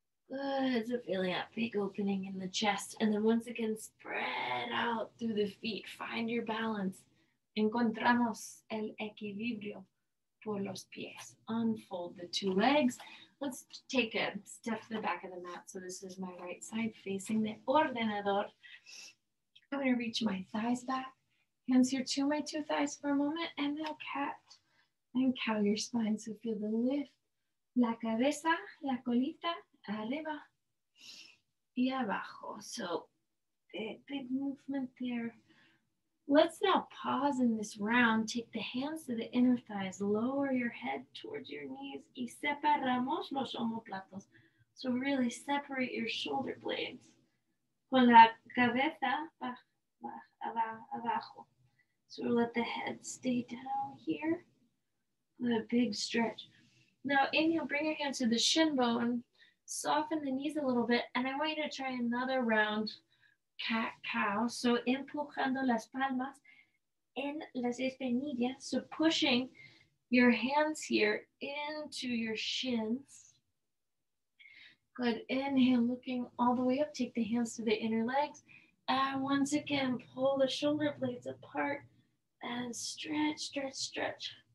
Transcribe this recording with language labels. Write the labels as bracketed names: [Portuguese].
[English] Good. So feeling that big opening in the chest. And then once again, spread out through the feet. Find your balance. [Spanish] Encontramos el equilibrio por los pies. [English] Unfold the two legs. Let's take a step to the back of the mat. So this is my right side facing the ordenador. I'm going to reach my thighs back. Hands here to my two thighs for a moment. And now cat and cow your spine. So feel the lift. [Spanish] La cabeza, la colita. Arriba y abajo. [English] So big movement there. Let's now pause in this round. Take the hands to the inner thighs. Lower your head towards your knees. [Spanish] Y separamos los omoplatos. [English] So really separate your shoulder blades. [Spanish] Con la cabeza abajo. [English] So let the head stay down here. With a big stretch. Now inhale, bring your hands to the shin bone. Soften the knees a little bit, and I want you to try another round cat-cow. [Spanish] So empujando las palmas en las espinillas. [English] So pushing your hands here into your shins. Good. Inhale, looking all the way up. Take the hands to the inner legs. And once again, pull the shoulder blades apart and stretch, stretch, stretch.